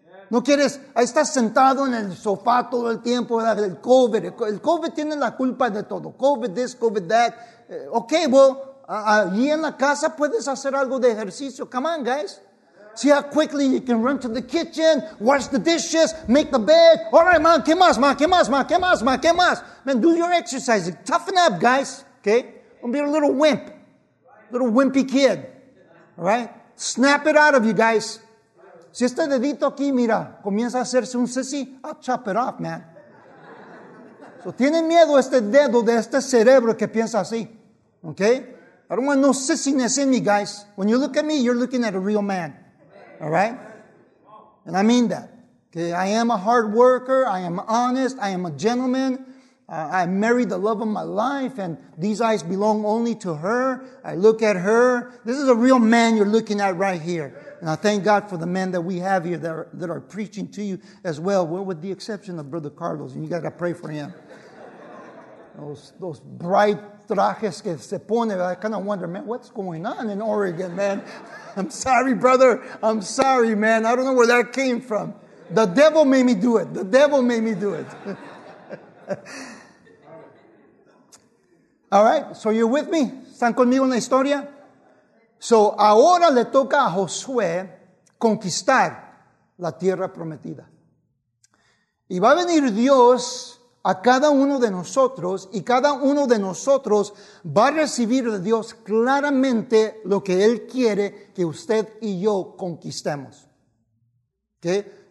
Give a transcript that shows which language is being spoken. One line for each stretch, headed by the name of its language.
Spanish: No quieres, ahí estás sentado en el sofá todo el tiempo, el COVID. El COVID tiene la culpa de todo.
English: COVID this, COVID that.
Spanish: Okay, well, allí en la casa puedes hacer algo de ejercicio.
English: Come on, guys. See how quickly you can run to the kitchen, wash the dishes, make the bed. All right, man,
Spanish: ¿qué más, man? ¿Qué más, man? ¿Qué más, man? ¿Qué más?
English: Man, do your exercise. Toughen up, guys. Okay? Don't be a little wimp. Little wimpy kid. All right? Snap it out of you, guys.
Spanish: Si este dedito aquí, mira, comienza a hacerse un sissy,
English: I'll chop it off, man.
Spanish: So, tiene miedo este dedo de este cerebro que piensa así.
English: Okay? I don't want no sissiness in me, guys. When you look at me, you're looking at a real man. All right? And I mean that. Okay, I am a hard worker. I am honest. I am a gentleman. I married the love of my life, and these eyes belong only to her. I look at her. This is a real man you're looking at right here. And I thank God for the men that we have here that are preaching to you as well, with the exception of Brother Carlos, and you got to pray for him. Those bright
Spanish: trajes que se pone,
English: I kind of wonder, man, what's going on in Oregon, man? I'm sorry, brother. I'm sorry, man. I don't know where that came from. The devil made me do it. The devil made me do it. All right, so you're with me?
Spanish: ¿Están conmigo en la historia? So ahora le toca a Josué conquistar la tierra prometida. Y va a venir Dios a cada uno de nosotros, y cada uno de nosotros va a recibir de Dios claramente lo que Él quiere que usted y yo conquistemos. ¿Qué?